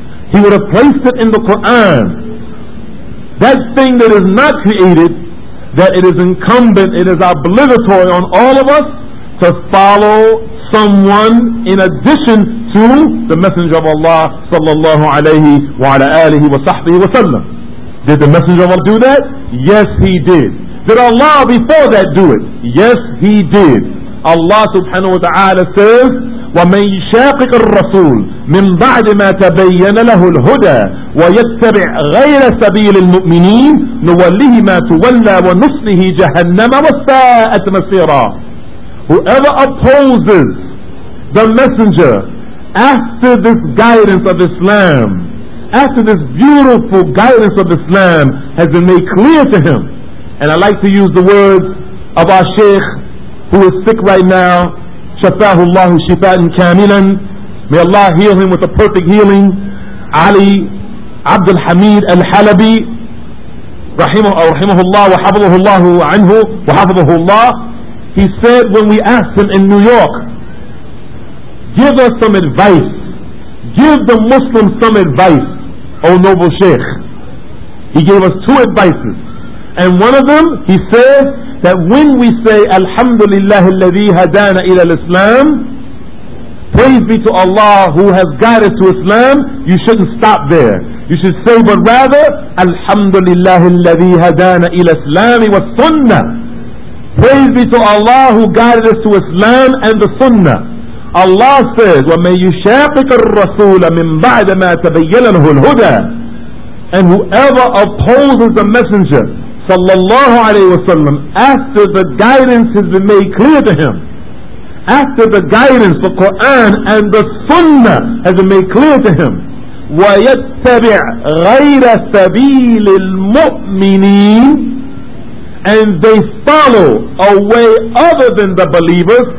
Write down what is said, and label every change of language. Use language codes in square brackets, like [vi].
[en] He would have placed it in the Quran. That thing that is not created, that it is incumbent, it is obligatory on all of us to follow someone in addition to the Messenger of Allah sallallahu alayhi wa ala alihi wa sahbihi wa sallam. Did the Messenger of Allah do that? Yes, he did. Did Allah before that do it? Yes, he did. Allah subhanahu wa ta'ala says, [ar] وَمَنْ يُشَاقِقِ الرَّسُولِ مِنْ بَعْدِ مَا تَبَيَّنَ لَهُ الْهُدَى وَيَتَّبِعْ غَيْرَ سَبِيلِ الْمُؤْمِنِينَ نُوَلِّهِ مَا تُوَلَّى وَنُصْلِهِ جَهَنَّمَ وَسَاءَتْ مَصِيرًا. [en] Whoever opposes the Messenger after this guidance of Islam, after this beautiful guidance of Islam has been made clear to him, and I like to use the words of our Shaykh, who is sick right now, [ar] شفاه الله شفاء كاملا. [en] May Allah heal him with a perfect healing. [ar] Ali Abdul Hamid Al-Halabi رحمه الله وحفظه الله عنه وحفظه الله. [en] He said, when we asked him in New York, give us some advice, give the Muslims some advice, O noble Sheikh. He gave us two advices, and one of them, he said, that when we say Alhamdulillah [ar] الذي هدانا إلى الإسلام, [en] praise be to Allah who has guided to Islam, you shouldn't stop there. You should say, but rather, Alhamdulillah [ar] الذي هدانا إلى الإسلام والسنة. [en] Praise be to Allah who guided us to Islam and the Sunnah. Allah says, [ar] وَمَنْ يُشَاقِقَ الرَّسُولَ مِنْ بَعْدَ مَا تَبَيَّنَ لَهُ الْهُدَى. [en] And whoever opposes the Messenger sallallahu alayhi wasallam, after the guidance has been made clear to him, after the guidance, the Quran and the Sunnah has been made clear to him, [ar] ويتبع غير سبيل المؤمنين, [en] and they follow a way other than the believers.